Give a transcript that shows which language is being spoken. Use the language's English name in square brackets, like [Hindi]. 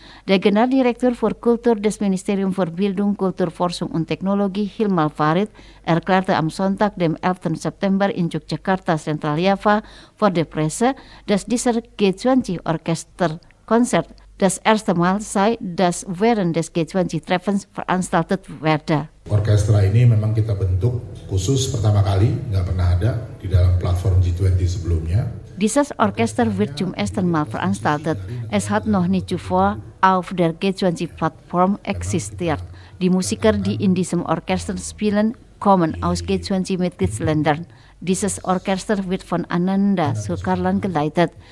[German] Der Generaldirektor für Kultur des Ministerium für Bildung, Kultur, Forschung und Technologie, Hilmar Farid, erklärte am Sonntag, dem 11. September in Yogyakarta, Central Java, vor der Presse, dass dieser G20-Orchester-Konzert das erste Mal sei, dass während des G20-Treffens veranstaltet werde. [Indonesian] Orkestra ini memang kita bentuk khusus pertama kali, nggak pernah ada di dalam platform G20 sebelumnya. [German] Dieses Orchester wird zum ersten Mal veranstaltet. Es hat noch nie zuvor auf der G20-Plattform existiert. Die Musiker, die in diesem Orchester spielen, kommen aus G20-Mitgliedsländern. Dieses Orchester wird von Ananda Sukarlan geleitet.